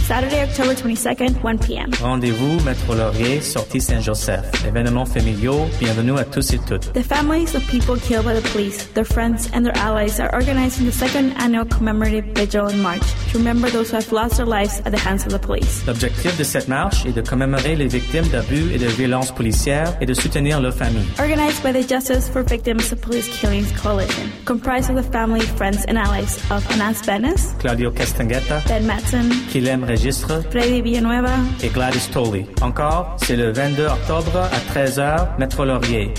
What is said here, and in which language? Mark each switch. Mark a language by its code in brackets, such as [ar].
[en] Saturday, October 22nd, 1 p.m. [fr] Rendez-vous, Maître Laurier, Sortie Saint-Joseph. Événements familiaux, bienvenue à tous et toutes. [en] The families of people killed by the police, their friends, and their allies are organizing the second annual commemorative vigil in March to remember those who have lost their lives at the hands of the police. [fr] L'objectif de cette marche est de commémorer les victimes d'abus et de violences policières et de soutenir leurs familles. [en] Organized by the Justice for Victims of Police Killings Coalition, comprised of the family, friends, and allies of Anas Benes, Claudio Castangueta, Ben Matson, Kilem Registre, Freddy Villanueva, and Gladys Tolley. [fr] Encore, c'est le 22 octobre à 13h, Metro Laurier.